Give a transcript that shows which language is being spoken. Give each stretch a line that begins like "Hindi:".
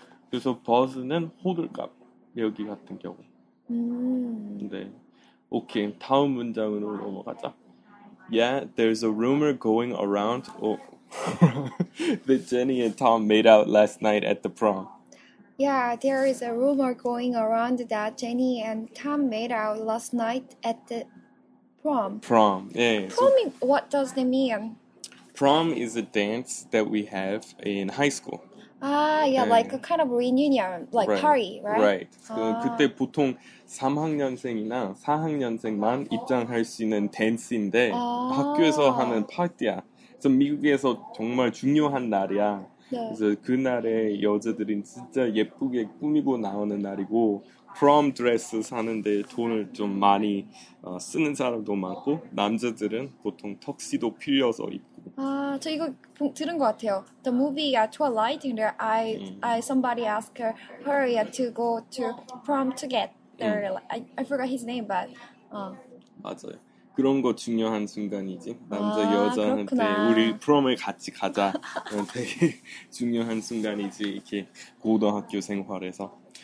Korean: 그래서 버즈는 호들갑 여기 같은 경우. 네. 오케이. 다음 문장으로 넘어가자.
English: Yeah, there's a rumor going around that Jenny and Tom made out last night at the prom. Yeah, there is a rumor going around that Jenny and Tom made out last night at the prom. Prom, yeah. Prom, so, what does it mean? Prom is a dance that we have in high school. Ah, yeah, and, like a kind of reunion, like right, party, right? Right.
Korean: So, 그때 보통 3학년생이나 4학년생만 입장할 수 있는 댄스인데 학교에서 하는 파티야. 그래서 미국에서 정말 중요한 날이야. 네. 그래서 그날에 여자들이 진짜 예쁘게 꾸미고 나오는 날이고 prom dress 사는데 돈을 좀 많이 쓰는 사람도 많고 남자들은 보통 턱시도 빌려서 입고 아, 저 이거 들은 것 같아요.
English: The movie at Twilight and I somebody ask her to go to prom to get their I forgot his name but
Korean: 맞아요. 그런 거 중요한 순간이지. 남자 아, 여자한테 우리 그렇구나. 프롬을 같이 가자. 되게 중요한 순간이지. 이렇게 고등학교 생활에서.